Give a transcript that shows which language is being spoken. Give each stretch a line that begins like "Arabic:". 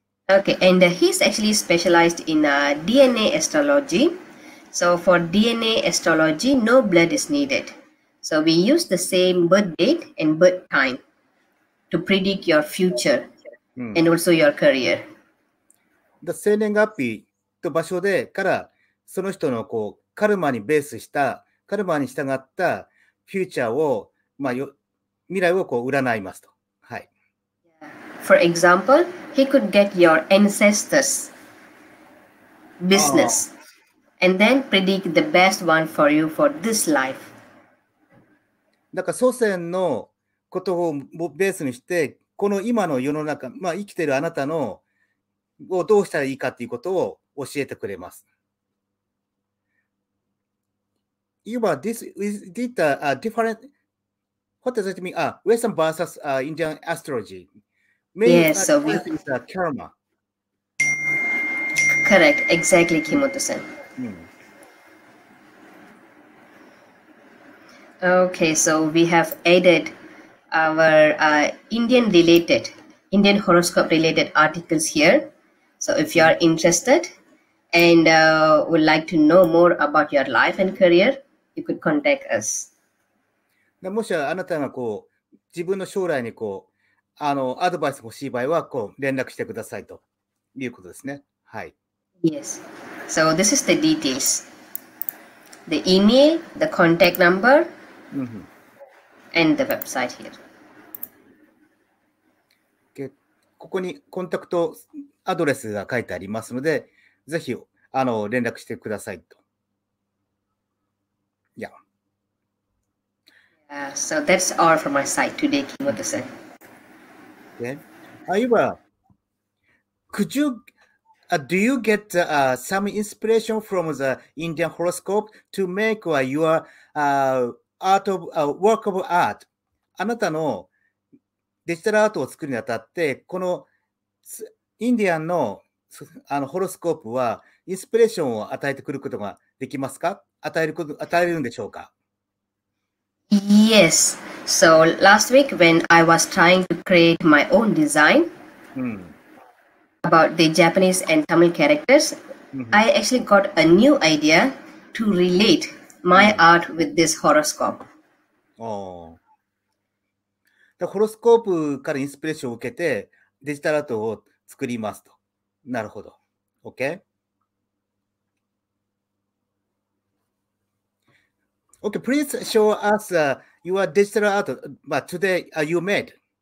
English: Okay, and he's actually specialized in DNA astrology. So for DNA astrology, no blood is needed. So we use the same birth date and birth time to predict your future and also your career.
Japanese: The 生年月日と場所でからその人のこうカルマにベースしたカルマに従ったフューチャーを、まあ、未来をこう占いますと。はい。
English: For example, he could get your ancestors' business and then predict the best one for you for this life.
Japanese: だから祖先のことをベースにして、この今の世の中、まあ、生きているあなたのをどうしたらいいかということを教えてくれます。
English: You are this is it a different? What does it mean? Western versus Indian astrology. Maybe yes, so we is a karma. Correct, exactly, Kimoto-san. Okay, so we have added our Indian horoscope related articles here. So if you are interested and would like to know more about your life and career. You could contact us.
Japanese: もしあなたがこう自分の将来にこうアドバイス欲しい場合はこう連絡してくださいということですね。はい。
English: Yes. So this is the details. The email, the contact number,、mm-hmm. and the website here. Okay.
Japanese: ここにコンタクトアドレスが書いてありますので、ぜひ連絡してくださいと。
English: So that's all from my side today, Kimoto-san. Okay. Aiba, could you, do you get some inspiration from the Indian horoscope to make your work of art?
Japanese: あなたのデジタルアートを作るにあたって、このインディアンのホロスコープはインスピレーションを与えてくることができますか？与えるんでしょうか？
English: Yes. So last week when I was trying to create my own design、about the Japanese and Tamil characters,、I actually got a new idea to relate my art with this horoscope.
Japanese: で、ホロスコープからインスピレーションを受けてデジタルアートを作りますと。なるほど。
English: OK? OK, please show us、your digital art but today、you made.